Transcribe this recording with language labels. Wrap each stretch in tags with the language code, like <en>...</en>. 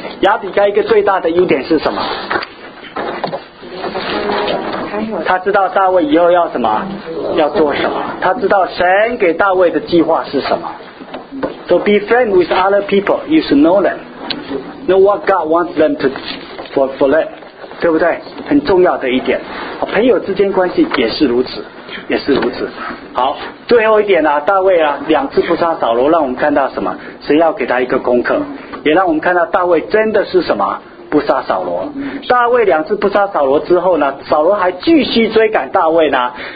<zh>亚比该一个最大的优点是什么？他知道大卫以后要什么，要做什么，他知道神给大卫的计划是什么。</zh> <en>So be friend with other people, you should know them, know what God wants them to for them，对不对？</en> <zh>很重要的一点，朋友之间关系也是如此，也是如此。好，最后一点呢、啊，大卫啊，两次不杀扫罗，让我们看到什么？神要给他一个功课，也让我们看到大卫真的是什么不杀扫罗。大卫两次不杀扫罗之后呢，扫罗还继续追赶大卫呢。</zh>